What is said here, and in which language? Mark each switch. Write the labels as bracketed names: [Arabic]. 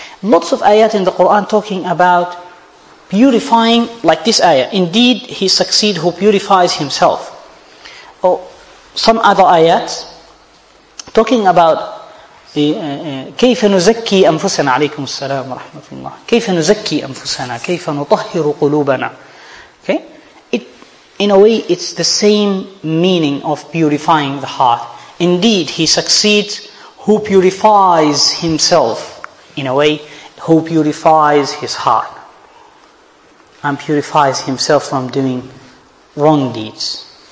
[English] Lots of ayat in the Quran talking about purifying, like this ayah. Indeed, he succeeds who purifies himself. Or some other ayats talking about [Arabic] كيف نزكي أنفسنا عليكم السلام ورحمة الله كيف نزكي أنفسنا كيف نطهر قلوبنا. [English] Okay, it, in a way, it's the same meaning of purifying the heart. Indeed, he succeeds who purifies himself, in a way, who purifies his heart and purifies himself from doing wrong deeds.